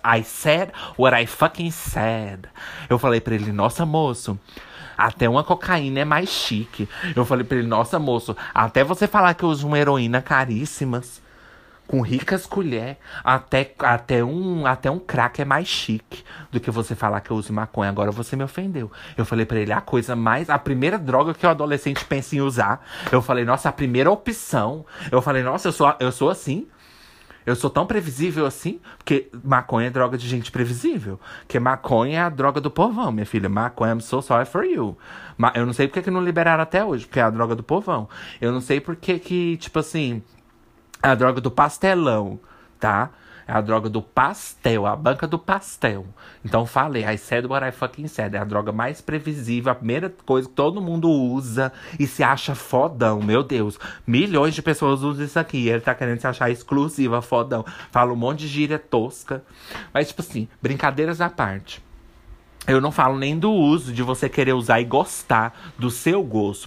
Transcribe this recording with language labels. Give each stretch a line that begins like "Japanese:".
English: I said what I fucking said.
Portuguese: Eu falei pra ele, nossa, moço, até uma cocaína é mais chique. Eu falei pra ele, nossa, moço, até você falar que eu uso uma heroína caríssimas, com ricas colher, até um crack é mais chique do que você falar que eu uso maconha. Agora você me ofendeu. Eu falei pra ele, a primeira droga que o adolescente pensa em usar. Eu falei, nossa, a primeira opção. Eu falei, nossa, eu sou assim. Eu sou tão previsível assim. Porque maconha é droga de gente previsível. Porque maconha é a droga do povão, minha filha.
English: Maconha, I'm so sorry for you.
Portuguese: Eu não sei porque não liberaram até hoje, porque é a droga do povão. Eu não sei porque, tipo assim, é a droga do pastelão, tá? É a droga do pastel, a banca do pastel. Então falei,
English: I said what I fucking said.
Portuguese: É a droga mais previsível, a primeira coisa que todo mundo usa e se acha fodão, meu Deus. Milhões de pessoas usam isso aqui. Ele tá querendo se achar exclusiva, fodão. Fala um monte de gíria tosca. Mas tipo assim, brincadeiras à parte. Eu não falo nem do uso, de você querer usar e gostar do seu gosto.